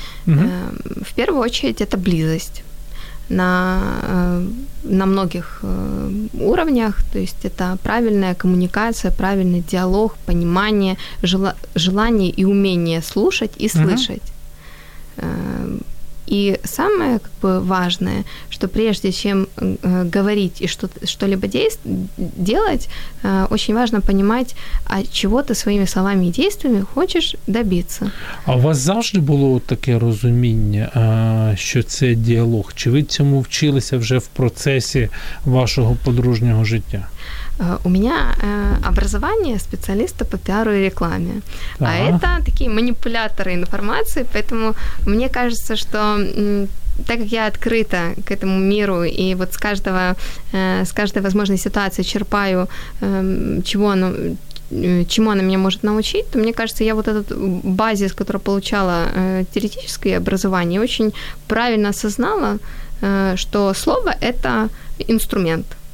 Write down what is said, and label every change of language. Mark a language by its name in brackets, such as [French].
[Russian] В первую очередь, это близость на многих уровнях, то есть это правильная коммуникация, правильный диалог, понимание, желание и умение слушать и слышать. И самое как бы важное, что прежде чем говорить и что-либо делать, очень важно понимать, а чего ты своими словами и действиями хочешь добиться. [Ukrainian] А у вас завжди було таке розуміння, що це діалог? Чи ви цьому вчилися вже в процесі вашого подружнього життя? [Russian] У меня образование специалиста по пиару и рекламе. Да. А это такие манипуляторы информации, поэтому мне кажется, что так как я открыта к этому миру и вот с каждой возможной ситуации черпаю, чему она меня может научить, то мне кажется, я вот этот базис, который получала теоретическое образование, очень правильно осознала, что слово – это инструмент.